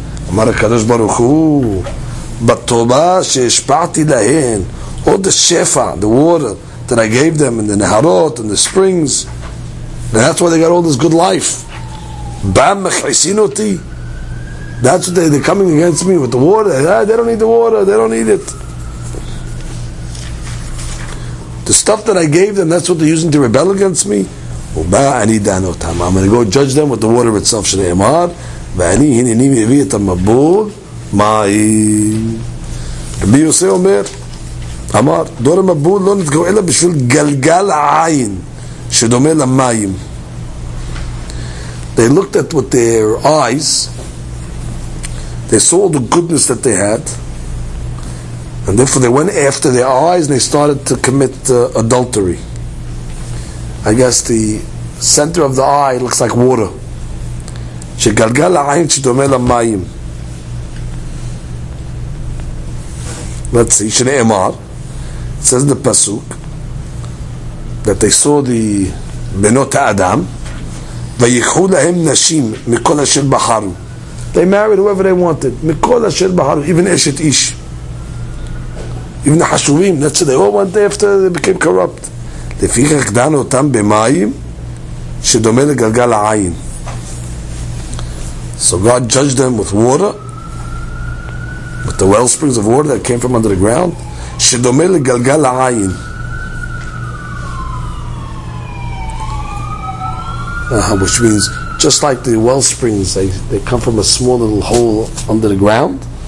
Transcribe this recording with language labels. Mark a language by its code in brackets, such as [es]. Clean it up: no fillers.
[he] אמר הקדוש ברוך הוא, בתורה שהשפעתי להן, [en] all the shefa, the water that I gave them, and the נהרות, and the springs, and that's why they got all this good life. [he] בם מכעיסין אותי, [en] that's what they're coming against me with the water, they don't need the water, they don't need it. The stuff that I gave them, that's what they're using to rebel against me. [he] ובא אני דן אותם, [en] I'm going to go judge them with the water itself, [he] שנאמר, ואני הנני מביא את המבול מים. רבי יוסי אומר, אמר, דור המבול לא נתגעו אלא בשביל גלגל העין שדומה למים. [en] They looked at with their eyes, they saw all the goodness that they had, and therefore they went after their eyes and they started to commit adultery. I guess the center of the eye looks like water. [he] שגלגל העין שדומה למים. נצי, שנאמר, [en] it says in the pasuk, that they saw the [he] בנות האדם, ויקחו להם נשים מכל אשר בחרו. [en] They married whoever they wanted, [he] מכל אשר בחרו, [en] even אשת איש. Even the חשובים, that's what they all went after they became corrupt. [he] לפיכך דנו אותם במים, שדומה לגלגל העין. [en] So God judged them with water, with the wellsprings of water that came from under the ground. [he] Shedomeh legalgal ha'ayin. [en] Which means, just like the wellsprings, they come from a small little hole under the ground.